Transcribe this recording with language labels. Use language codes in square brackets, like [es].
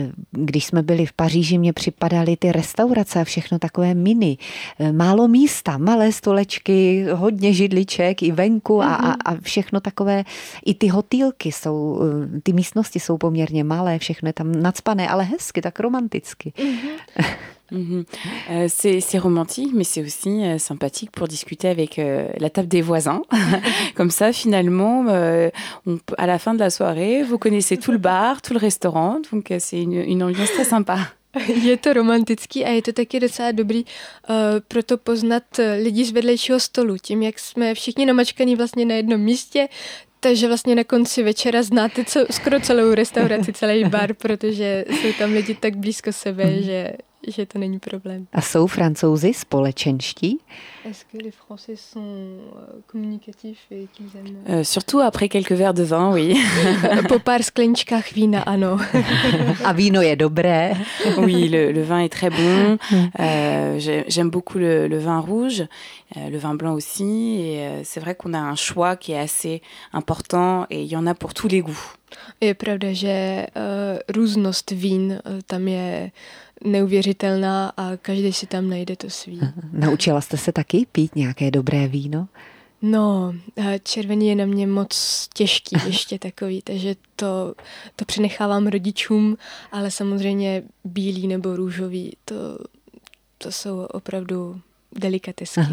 [cs] Když jsme byli v Paříži, mě připadaly ty restaurace a všechno takové mini. Málo místa, malé stolečky, hodně židliček i venku a všechno takové. I ty hotýlky jsou, ty místnosti jsou poměrně malé, všechno je tam nacpané, ale hezky, tak romanticky. [fr] C'est romantique, mais c'est aussi sympathique pour discuter avec la table des voisins. Comme ça, finalement, à la fin de la soirée, vous connaissez tout le bar, tout le restaurant. Donc, c'est une ambiance très sympa. [cs] Je to romantický a je to taky docela dobrý pro to poznat lidi z vedlejšího stolu. Tím, jak jsme všichni namačkaní vlastně na jednom místě, takže vlastně na konci večera znáte skoro celou restauraci, celý bar, protože jsou tam lidi tak blízko sebe, že to není problém. A jsou Francouzi společenští? [fr] Est-ce que les Français sont communicatifs et qu'ils aiment... Surtout après quelques verres de vin, oui. [cs] Po pár skleničkách vína, ano. A víno je dobré. [fr] Oui, le vin est très bon. J'aime beaucoup le vin rouge, le vin blanc aussi. Et c'est vrai qu'on a un choix qui est assez important et il y en a pour tous les goûts. [cs] Je pravda, že různost vín tam je neuvěřitelná a každý si tam najde to svý. Naučila jste se taky pít nějaké dobré víno? No, červený je na mě moc těžký ještě takový, takže to přenechávám rodičům, ale samozřejmě bílý nebo růžový, to jsou opravdu delikatesky.